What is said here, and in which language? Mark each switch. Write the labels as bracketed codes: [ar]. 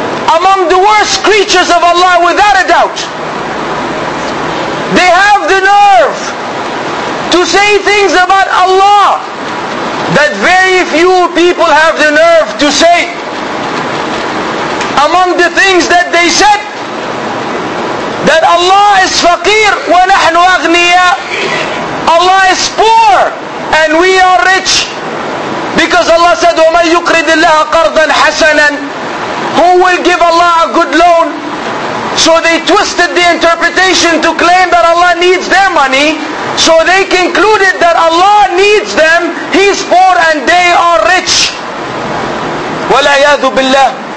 [en] Among the worst creatures of Allah, without a doubt. They have the nerve to say things about Allah that very few people have the nerve to say. Among the things that they said, that Allah is [ar] faqir wa nahnu aghniya. [en] Allah is poor and we are rich. Because Allah said, [ar] وَمَنْ يُقْرِدِ اللَّهَ قَرْضًا حَسَنًا. [en] Who will give Allah a good loan? So they twisted the interpretation to claim that Allah needs their money. So they concluded that Allah needs them, He's poor and they are rich. [ar] وَالْعَيَاذُ بِاللَّهِ.